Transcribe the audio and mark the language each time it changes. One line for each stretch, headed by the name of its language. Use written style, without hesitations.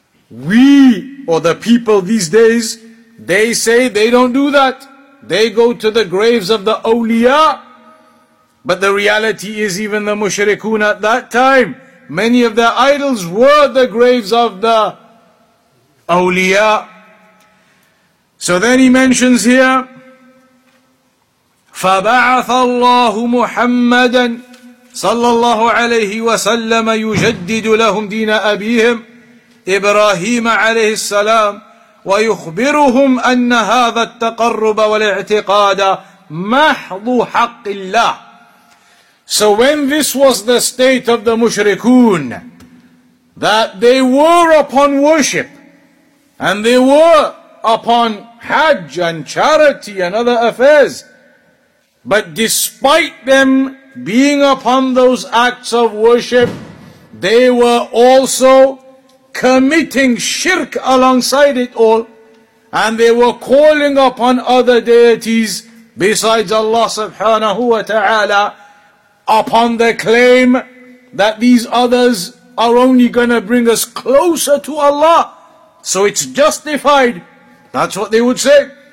English: We, or the people these days, they say they don't do that. They go to the graves of the awliya. But the reality is, even the mushrikun at that time, many of their idols were the graves of the awliya.
Arabic: So then he mentions here, فَبَعَثَ اللَّهُ مُحَمَّدًا صَلَّى اللَّهُ عَلَيْهِ وَسَلَّمَ يُجَدِّدُ لَهُمْ دِينَ أَبِيهِمْ إِبْرَاهِيمَ عَلَيْهِ السَّلَامِ وَيُخْبِرُهُمْ أَنَّ هَذَا التَّقَرُّبَ وَالْاِعْتِقَادَ مَحْضُ حَقِّ اللَّهِ.
English: So when this was the state of the mushrikun, that they were upon worship, and they were upon hajj and charity and other affairs, but despite them being upon those acts of worship, they were also committing shirk alongside it all, and they were calling upon other deities besides Allah subhanahu wa ta'ala upon the claim that these others are only going to bring us closer to Allah, so it's justified. That's what they would say.